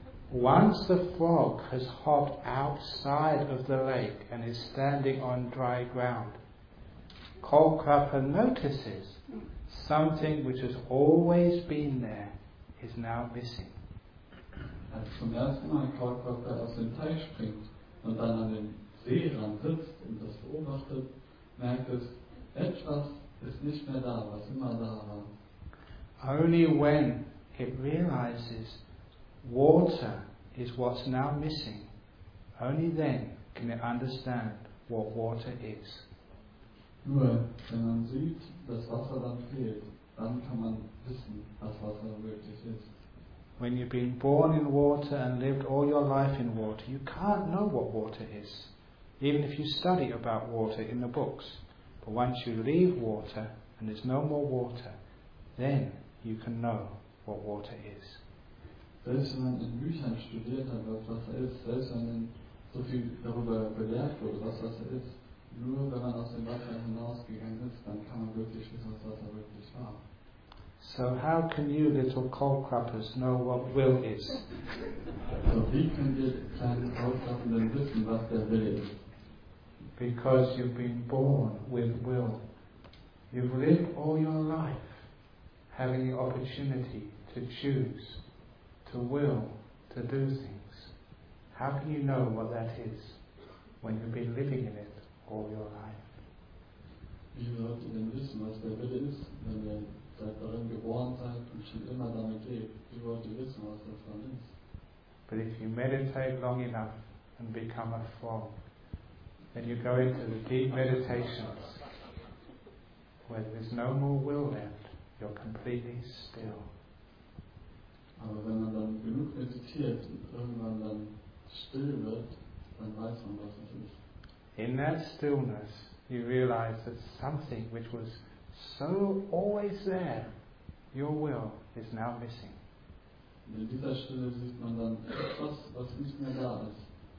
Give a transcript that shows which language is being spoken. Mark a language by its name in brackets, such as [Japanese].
[English] Once the frog has hopped outside of the lake and is standing on dry ground, Kaulquappa notices something which has always been there is now missing. [German] Als zum ersten Mal Kaulquappa aus dem Teich springt und dann an den Seerand sitzt und das beobachtet, merkt es, etwas ist nicht mehr da, was immer da war. [English] Only when it realizes water is what's now missing, only then can it understand what water is. [German] Nur wenn man sieht, dass Wasser dann fehlt, dann kann man wissen, was Wasser wirklich ist. [English] When you've been born in water and lived all your life in water, you can't know what water is, even if you study about water in the books. But once you leave water and there's no more water, then you can know what water is. [German] Selbst wenn man in Büchern studiert hat, was Wasser ist, selbst wenn man so viel darüber belehrt wurde, was Wasser ist, nur wenn man aus dem Wasser hinausgegangen ist, dann kann man wirklich wissen, was Wasser wirklich war. [English] So how can you little Kaulquappas know what will is? [German] So wie könnt ihr kleine Kaulquappen denn wissen, was der Wille ist? [English] Because you've been born with will. You've lived all your life having the opportunity to choose, to will, to do things. How can you know what that is when you've been living in it all your life? [German] Wie sollt ihr denn wissen, was der Wille ist, wenn ihr seit darin geboren seid und schon immer damit lebt? Wie wollt ihr wissen, was das dann ist? [English] But if you meditate long enough and become a frog, then you go into the deep meditations where there is no more will left, you're completely still. [German] Aber wenn man dann genug meditiert und irgendwann dann still wird, dann weiß man, was es ist. [English] In that stillness you realize that something which was so always there, your will, is now missing. [German] Und in dieser Stille sieht man dann etwas, was nicht mehr da ist.